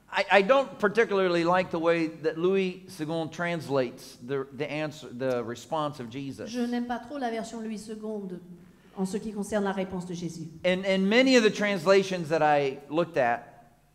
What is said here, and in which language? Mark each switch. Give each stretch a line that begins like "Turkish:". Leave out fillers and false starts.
English: I don't particularly like the way that Louis Segond translates the answer, the response of Jesus.
French: Je n'aime pas trop la version Louis Segonde en ce qui concerne la réponse de Jésus.
English: In many of the translations that I looked at,